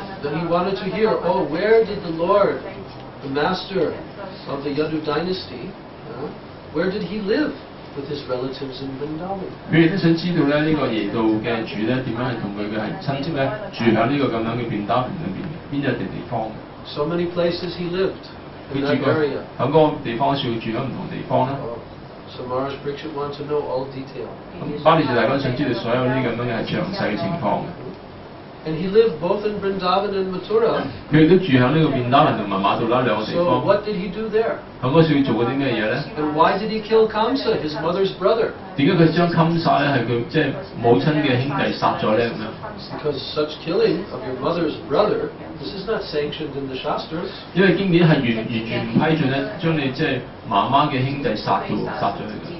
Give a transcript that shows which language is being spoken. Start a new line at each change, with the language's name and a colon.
English: Then he wanted to hear, oh, where did the Lord, the master of the Yadu dynasty, where did he live with his relatives in Vrindavan? He wanted to know how the Lord, the master of the Yadu dynasty, where did he live with his relatives in Vrindavan? So many places he lived in that area.
Cantonese: 喺嗰個地方，佢住喺唔同地方啦。
English: So Maharaj Pariksit wanted to know all detail.
Cantonese: 巴利士大君想知道所有呢咁樣嘅詳細嘅情況。
English: And he lived both in Vrindavan and Mathura.
Cantonese: 佢都住喺呢個 Vrindavan 同埋 Mathura 兩個地方。
English: So what did he do there?
Cantonese: 喺嗰時佢做過啲咩嘢咧
English: ？And why did he kill Kamsa, his mother's brother?
Cantonese: 點解佢將 Kamsa 咧係佢即係母親嘅兄弟殺咗咧咁樣
English: ？Because such killing of your mother's brother, this is not sanctioned in the Shastras.
Cantonese: 因為經典係完全唔批准咧，將你即係媽媽嘅兄弟殺咗佢。